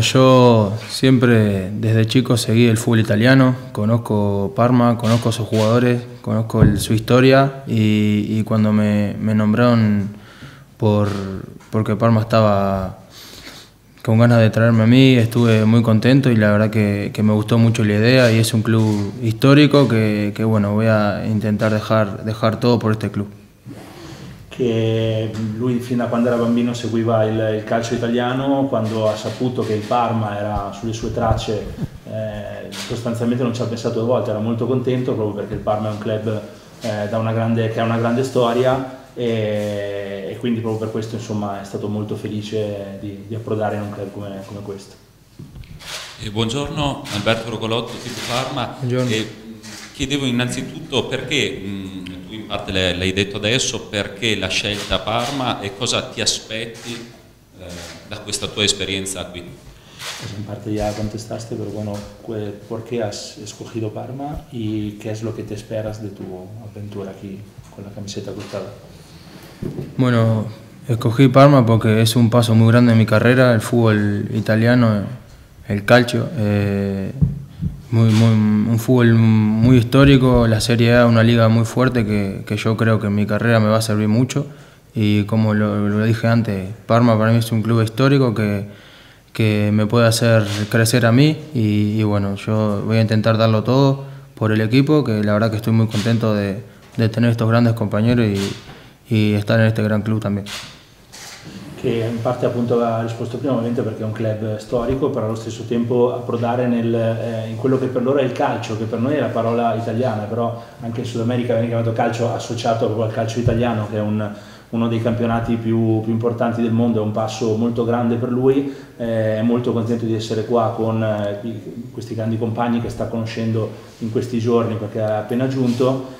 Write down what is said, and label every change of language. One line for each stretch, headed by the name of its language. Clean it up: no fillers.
Spanish: Yo siempre desde chico seguí el fútbol italiano, conozco Parma, conozco sus jugadores, conozco su historia y cuando me nombraron porque Parma estaba con ganas de traerme a mí, estuve muy contento y la verdad que me gustó mucho la idea y es un club histórico que bueno, voy a intentar dejar todo por este club.
Italian: Che lui fin da quando era bambino seguiva il calcio italiano, quando ha saputo che il Parma era sulle sue tracce sostanzialmente non ci ha pensato due volte, era molto contento proprio perché il Parma è un club che ha una grande storia e quindi proprio per questo insomma è stato molto felice di approdare in un club come questo. Buongiorno, Alberto Rocolotto, Tipo Pharma. Buongiorno. Chiedevo innanzitutto perché, tu in parte l'hai detto adesso, perché la scelta Parma e cosa ti aspetti da questa tua esperienza qui?
Spanish: In parte ya contestaste, pero bueno, ¿por qué has escogido Parma y qué es lo que te esperas de tu aventura aquí con la camiseta cruzada? Bueno, escogí Parma porque es un paso muy grande en mi carrera, el fútbol italiano, el calcio, un fútbol muy histórico, la Serie A, una liga muy fuerte que yo creo que en mi carrera me va a servir mucho. Y como lo dije antes, Parma para mí es un club histórico que me puede hacer crecer a mí y bueno, yo voy a intentar darlo todo por el equipo, que la verdad que estoy muy contento de tener estos grandes compañeros y estar en este gran club también.
Italian: Che in parte appunto ha risposto prima, ovviamente perché è un club storico, però allo stesso tempo approdare in quello che per loro è il calcio, che per noi è la parola italiana, però anche in Sud America viene chiamato calcio associato proprio al calcio italiano, che è uno dei campionati più importanti del mondo, è un passo molto grande per lui, è molto contento di essere qua con questi grandi compagni che sta conoscendo in questi giorni perché è appena giunto.